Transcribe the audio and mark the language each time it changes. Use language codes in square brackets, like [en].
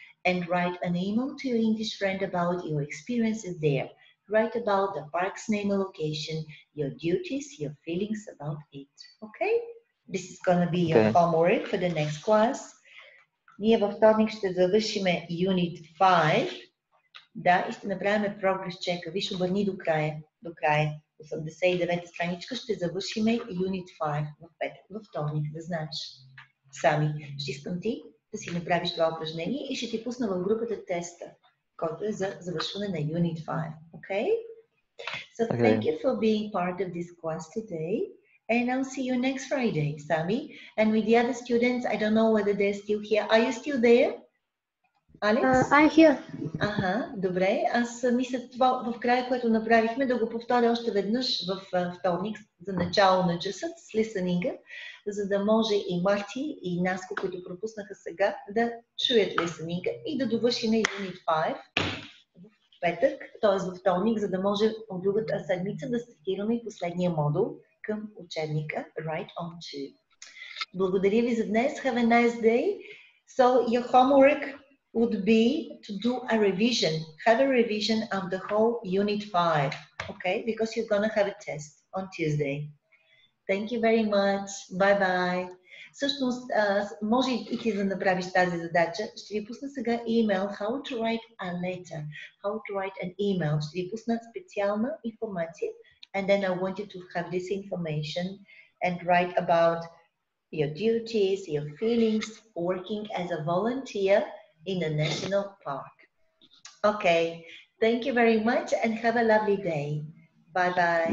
[en] And write an email to your English friend about your experiences there. Write about the park's name and location, your duties, your feelings about it. Okay? This is going to be your homework for the next class. [bg] Ние във вторник ще завършиме Unit 5. Да, и ще направим прогрес чека. Виж, обърни до края. 89-та страничка ще завършиме Unit 5 във вторник, да знаеш. Сами, ще искам ти да си направиш това упражнение и ще ти пусна в групата теста, който е за завършване на Unit 5. [en] Okay? So, okay. Thank you for being part of this class today And I'll see you next Friday, Sami. And with the other students, I don't know whether they're still here. Are you still there, Alex? I'm here. [bg] Aha, добре. Аз мисля това в края, което направихме, да го повторя още веднъж в вторник за начало на часът с лисънинга, за да може и Марти, и Наско, които пропуснаха сега, да чуят лисънинга и да довършим Unit 5 в петък, т.е. в вторник, за да може в другата седмица да стартираме и последния модул към учебника Write on 2. Благодаря ви за днес. [en] Have a nice day. So, your homework would be to do a revision. Have a revision of the whole Unit 5. Okay? Because you're going to have a test on Tuesday. Thank you very much. Bye-bye. [bg] Всъщност, може и ти да направиш тази задача. Ще ви пусна сега [en] email. How to write a letter. How to write an email. [bg] Ще ви пусна специална информация. [en] And then I want you to have this information and write about your duties, your feelings, working as a volunteer in a national park. Okay, thank you very much and have a lovely day. Bye-bye.